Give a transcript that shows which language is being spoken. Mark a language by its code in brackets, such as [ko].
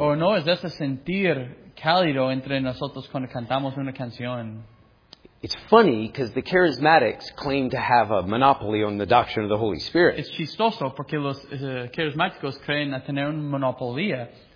[es] O no es este sentir cálido entre nosotros cuando cantamos una canción. [en] It's funny because the charismatics claim to have a monopoly on the doctrine of the Holy Spirit. [es] Es chistoso porque los carismáticos creen a tener una monopolía,